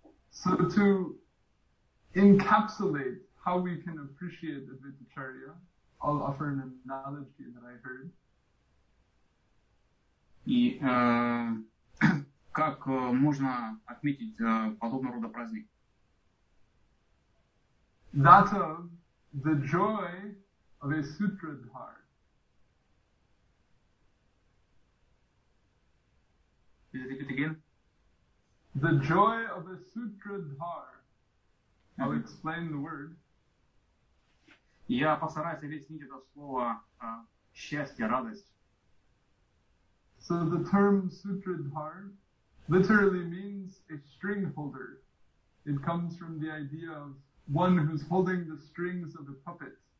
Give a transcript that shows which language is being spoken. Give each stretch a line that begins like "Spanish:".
English: So to encapsulate how we can appreciate Advaita Acharya, I'll offer an analogy that I heard.
Russian: И как можно отметить подобного рода праздник?
English: That of the joy of a sutradhar. Can you repeat again? The joy of a sutradhar. Mm-hmm. I'll explain the word.
Russian: Я постараюсь объяснить это слово «счастье», «радость».
English: So the term sutradhar literally means a string holder. It comes from the idea of one who's holding the strings of a puppet.